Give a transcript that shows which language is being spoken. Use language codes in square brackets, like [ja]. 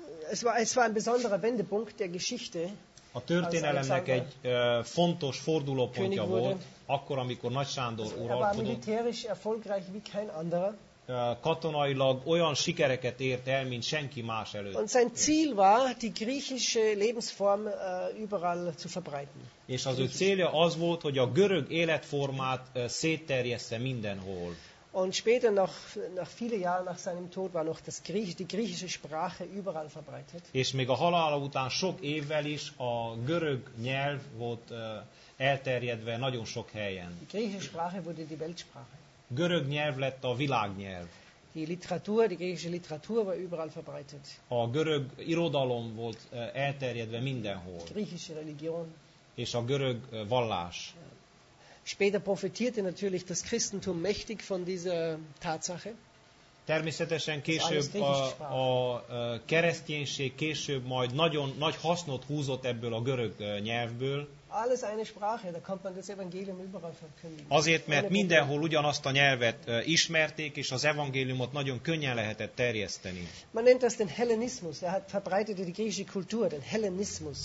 [de] Es war ein besonderer Wendepunkt der Geschichte. [hu] A történelemnek egy fontos fordulópontja volt, akkor amikor Nagy Sándor uralkodott. [de] Er war militärisch erfolgreich wie kein anderer. [hu] Katonailag olyan sikereket ért el, mint senki más előtt. [de] Und sein Ziel war, die griechische Lebensform überall zu verbreiten. [hu] És az ő célja az volt, hogy a görög életformát szétterjessze mindenhol. [de] Und später noch nach viele Jahre nach seinem Tod war noch das Griechisch, die griechische Sprache überall verbreitet. [hu] És még a halála után sok évvel is a görög nyelv volt elterjedve nagyon sok helyen. [de] Die griechische Sprache wurde die Weltsprache. [hu] Görög nyelv lett a világnyelv. [de] Die Literatur, die griechische Literatur war überall verbreitet. [hu] A görög irodalom volt elterjedve mindenhol. [de] Die griechische Religion. [hu] És a görög vallás. [de] Später profitierte natürlich das Christentum mächtig von dieser Tatsache. [hu] Természetesen később a kereszténység később majd nagyon nagy hasznot húzott ebből a görög nyelvből. [de] Alles eine Sprache, da kommt man das Evangelium überall verkündigen. [hu] Azért, mert mindenhol ugyanazt a nyelvet ismerték, és az evangéliumot nagyon könnyen lehetett terjeszteni. [de] Man nennt das den Hellenismus, er hat verbreitet die griechische Kultur, den Hellenismus.